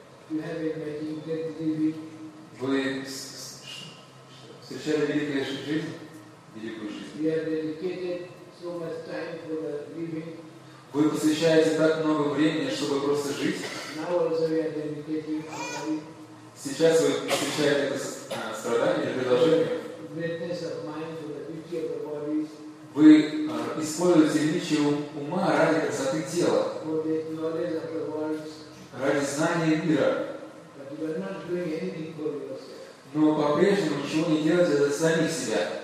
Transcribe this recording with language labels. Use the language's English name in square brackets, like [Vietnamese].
[Russian] Вы встречали великую жизнь? Великую жизнь. [English] So much time for the living. [Russian] Вы посвящаете так много времени, чтобы просто жить. [English] Now also we are dedicating our life. [Russian] Сейчас вы посвящаете это страдание, предложение. [English] Greatness of mind for the beauty of the body. [Russian] Вы используете величие ума ради красоты тела. [English] For the knowledge of the world. [Russian] Ради знания мира. [English] But you are not doing anything for yourself. [Russian] Но по-прежнему ничего не делаете за самих себя.